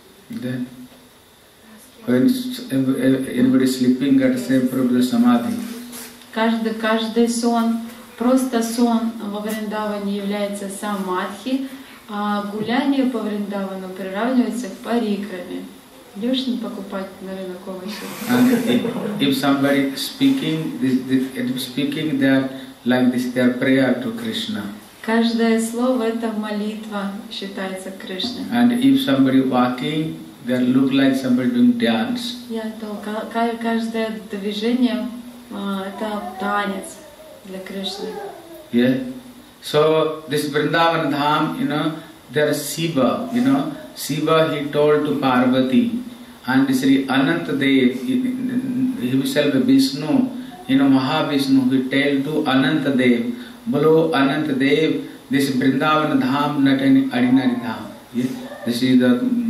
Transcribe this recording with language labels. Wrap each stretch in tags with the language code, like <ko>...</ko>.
<en>Да. When everybody sleeping, got the same problem, samadhi.</en> <ru>Каждый сон, просто сон во Вриндаване является самадхи, а гуляние по Вриндавану приравнивается к парикраме. Идешь не покупать на рынок овощи.</ru> <en>If somebody speaking, speaking that like this, their prayer to Krishna.</en> <ru>Каждое слово это молитва считается Кришне.</ru> <en>And if somebody walking, they look like somebody doing dance.</en> <ru>Я то каждое движение это танец для Кришны.</ru> <en>Yeah. So this Vrindavan Dham, you know, there is Shiva, you know. Shiva he told to Parvati and Sri Anantadev, himself Vishnu, you know, Mahavishnu, he told to Anantadev, below Anantadev, this Vrindavan Dham, not any ordinary Dham. Yeah? This is the</en>